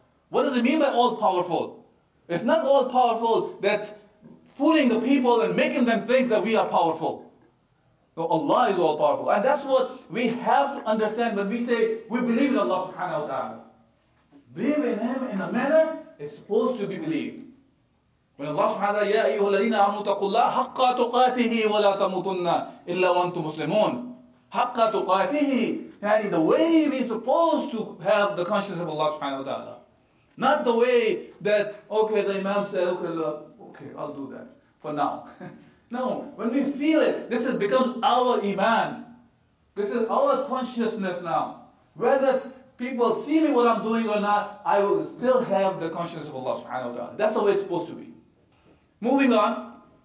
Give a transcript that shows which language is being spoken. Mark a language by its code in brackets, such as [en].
[en] What does it mean by all-powerful? It's not all-powerful that fooling the people and making them think that we are powerful. No, Allah is all-powerful. And that's what we have to understand when we say we believe in Allah subhanahu wa ta'ala. Believe in Him in a manner it's supposed to be believed. When Allah subhanahu wa ta'ala, [ar] يَا أَيُّهُ الَّذِينَ آمَنُوا اتَّقُوا اللَّهَ حَقَّ تُقَاتِهِ وَلَا تَمُوتُنَّ إِلَّا وَأَنْتُمْ مُسْلِمُونَ حَقَّ تُقَاتِهِ. [en] Yani the way we're supposed to have the consciousness of Allah subhanahu wa ta'ala. Not the way that, okay, the Imam said, okay, I'll do that for now. No, when we feel it, this is becomes our Iman. This is our consciousness now. Whether people see me what I'm doing or not, I will still have the consciousness of Allah subhanahu wa ta'ala. That's the way it's supposed to be. Moving on.